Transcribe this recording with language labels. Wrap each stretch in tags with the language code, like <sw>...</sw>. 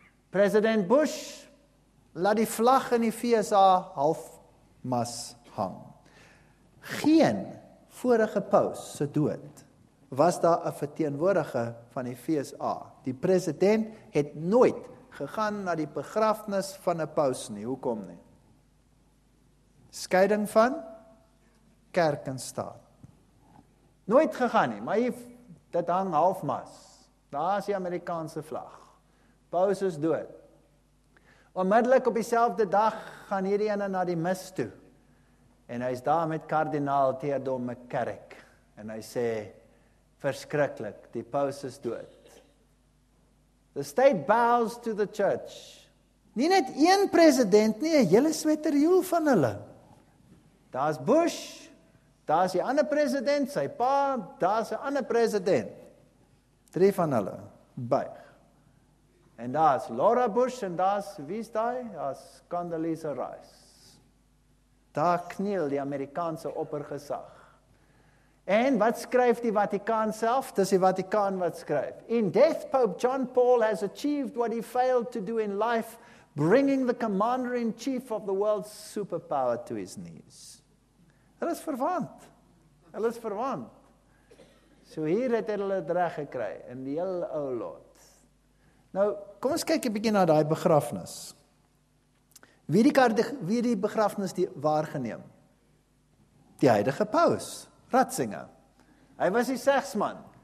<af>President Bush laat die vlag in die VSA halfmas hang. Geen vorige paus se dood was daar 'n verteenwoordiger van die VSA. Die president het nooit gegaan na die begrafnis van 'n paus nie. Hoekom nie? Skeiding van kerk en staat. Nooit gegaan nie, maar dit hang halfmas. Daar is die Amerikaanse vlag. Paus is dood. Onmiddellik op dieselfde dag gaan hierdie ene na die mis toe. En hy is daar met kardinaal Theodore McCarrick. En hy sê, verskriklik, die paus is dood.</af> <en>The state bows to the church.</en> <af>Nie net een president nie, 'n hele sweterjoel van hulle. Daar's Bush, daar's die ander president, sy pa, daar's 'n ander president. 3 van hulle buig. En daar's Laura Bush en daar's wie is daai? Daar's Condoleezza Rice. Daar kniel die Amerikaanse oppergesag. En wat skryf die Vatikaan self? Dis die Vatikaan wat skryf.</af> <en>In death, Pope John Paul has achieved what he failed to do in life, bringing the commander-in-chief of the world's superpower to his knees.</en> <af>Hulle is verwant. Hulle is verwant. So hier het hulle dit reg gekry in die heel ou lot. Nou, kom ons kyk 'n bietjie na daai begrafnis. Wie die begrafnis die waargeneem? Die heilige paus. Ratzinger. Hy was die segsman.</af>